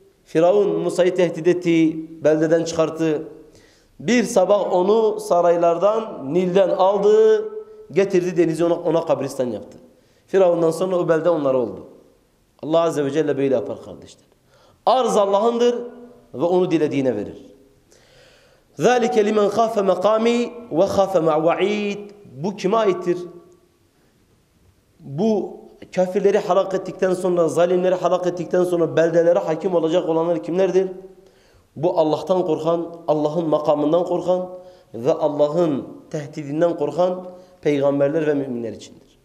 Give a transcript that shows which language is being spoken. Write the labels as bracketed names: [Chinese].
[Turkish] Firavun Musa'yı tehdit etti, beldeden çıkarttı. Bir sabah onu saraylardan, Nil'den aldı, getirdi denize, ona kabristan yaptı. Firavundan sonra o belde onlar oldu. Allah Azze ve Celle böyle yapar kardeşler. Arz Allah'ındır ve onu dilediğine verir. [Arabic] ذَلِكَ لِمَنْ خَافَ مَقَامِي وَخَافَ مَعْوَعِيدِ. [Turkish] Bu kime aittir? Bu kafirleri halak ettikten sonra, zalimleri halak ettikten sonra beldelere hakim olacak olanlar kimlerdir? Bu Allah'tan korkan, Allah'ın makamından korkan ve Allah'ın tehdidinden korkan peygamberler ve müminler içindir.